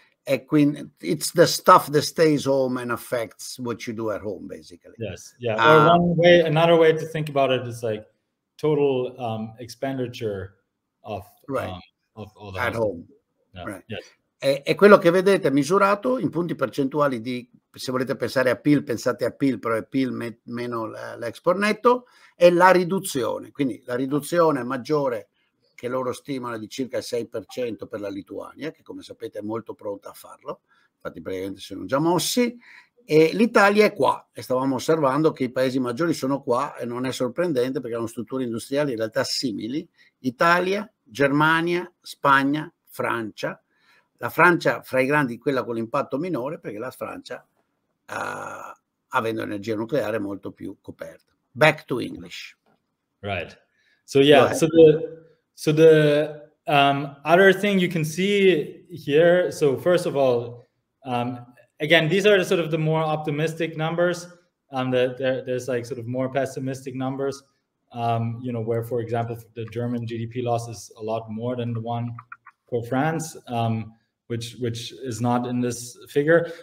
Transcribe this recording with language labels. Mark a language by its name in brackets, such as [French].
[English] And Queen, it's the stuff that stays home and affects what you do at home, basically. Yes. Yeah. Or another way to think about it is like total expenditure of all the at home. Yeah. Right. Yes. [Italian] è quello che vedete misurato in punti percentuali di, se volete pensare a PIL, pensate a PIL, però è PIL meno l'export netto, è la riduzione. Quindi la riduzione maggiore che loro stimano di circa il 6% per la Lituania, che come sapete è molto pronta a farlo, infatti praticamente sono già mossi, e l'Italia è qua, e stavamo osservando che i paesi maggiori sono qua, e non è sorprendente perché hanno strutture industriali in realtà simili: Italia, Germania, Spagna, Francia. La Francia fra i grandi, quella con l'impatto minore, perché la Francia, avendo energia nucleare, è molto più coperta. [English] Back to English. Right. So yeah, so the other thing you can see here, so first of all, again, these are sort of the more optimistic numbers, there's like sort of more pessimistic numbers, you know, where, for example, the German GDP loss is a lot more than the one for France, which is not in this figure.